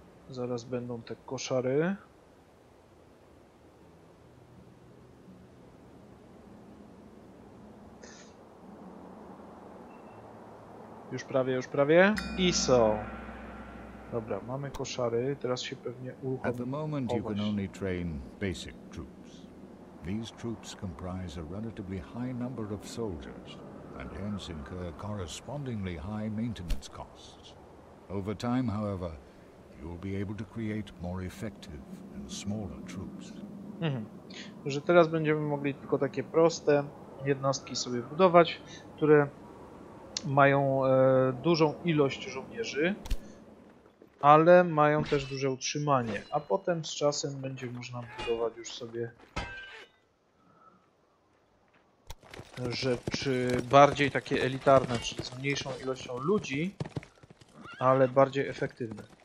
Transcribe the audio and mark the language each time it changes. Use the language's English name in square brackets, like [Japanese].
[Polish] Zaraz będą te koszary. Już prawie, już prawie. ISO. Dobra, mamy koszary. Teraz się pewnie uruchomi. [English] At the moment you can only train basic troops. These troops comprise a relatively high number of soldiers and hence incur correspondingly high maintenance costs. Over time, however, you will be able to create more effective and smaller troops. [Polish] Że teraz będziemy mogli tylko takie proste jednostki sobie budować, które mają dużą ilość żołnierzy, ale mają też duże utrzymanie, a potem z czasem będzie można budować już sobie rzeczy bardziej takie elitarne, czyli z mniejszą ilością ludzi, ale bardziej efektywne.